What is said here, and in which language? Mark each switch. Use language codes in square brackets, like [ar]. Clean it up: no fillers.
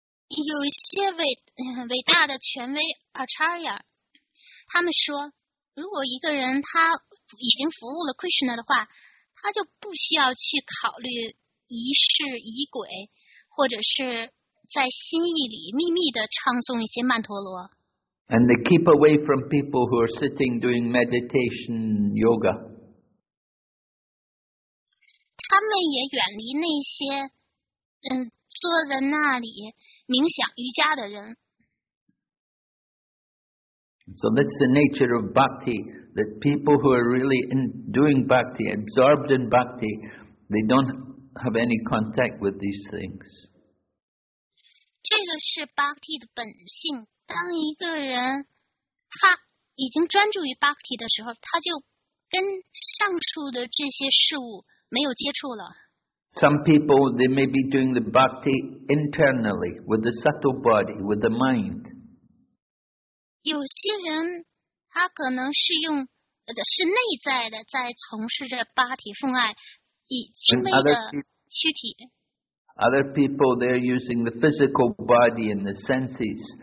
[zh] 有些伟大的权威 Acharya 他们说如果一个人他已经服务了 Krishna 的话，他就不需要去考虑仪式仪轨，或者是在心意里秘密的唱诵一些曼陀罗。 [en] And they keep away from people who are sitting doing meditation yoga. [zh] 他们也远离那些坐在那里冥想瑜伽的人。 [en] So that's the nature of bhakti, that people who are really in doing bhakti, absorbed in bhakti, they don't have any contact with these things. [zh] 这个是 bhakti 的本性。当一个人他已经专注于 bhakti 的时候，他就跟上述的这些事物没有接触了。 [en] Some people, they may be doing the bhakti internally, with the subtle body, with the mind. [zh] 有些人他可能是用是内在的在从事着八体奉爱以轻微的躯体。 [en] Other people, they're using the physical body and the senses.